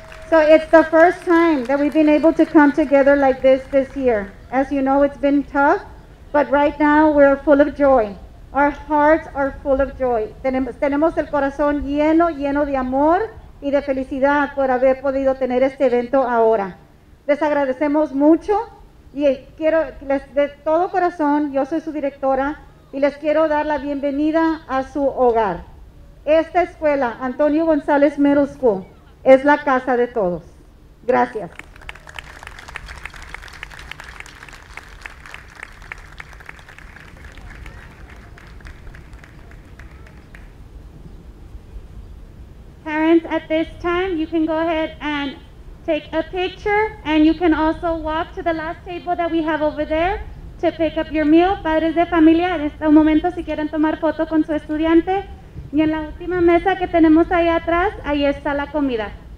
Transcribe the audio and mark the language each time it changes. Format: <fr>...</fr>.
<en>So it's the first time that we've been able to come together like this year. As you know, it's been tough, but right now we're full of joy. Our hearts are full of joy.</en> <es>Tenemos el corazón lleno de amor y de felicidad por haber podido tener este evento ahora. Les agradecemos mucho. Y quiero, de todo corazón, yo soy su directora, y les quiero dar la bienvenida a su hogar. Esta escuela, Antonio González Middle School, es la casa de todos. Gracias.</es> <en>Parents, at this time, you can go ahead and take a picture, and you can also walk to the last table that we have over there to pick up your meal.</en> <es>Padres de familia, en este momento, si quieren tomar foto con su estudiante, y en la última mesa que tenemos ahí atrás, ahí está la comida.</es>